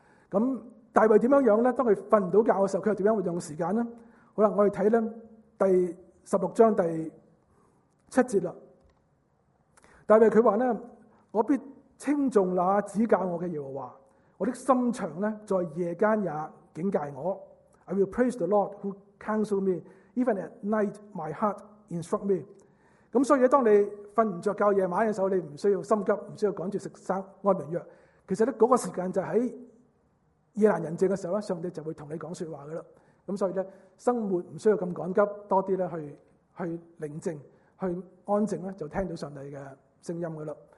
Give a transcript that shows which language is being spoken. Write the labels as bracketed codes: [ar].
[yue] 咁大衛點樣樣咧？當佢瞓唔到覺嘅時候，佢又點樣運用時間咧？好啦，我哋睇咧第十六章第七節啦。大衛佢話咧：我必稱重那指教我嘅耶和華，我的心腸咧在夜間也警戒我。 [en] I will praise the Lord who counsel me. Even at night, my heart instruct me. [yue] 咁所以当你瞓唔着觉夜晚嘅时候，你唔需要心急，唔需要赶住食生安眠药。其实咧嗰个时间就喺夜阑人静嘅时候咧，上帝就会同你讲说话噶啦。咁所以咧，生活唔需要咁赶急，多啲咧去宁静，去安静咧，就听到上帝嘅声音噶啦。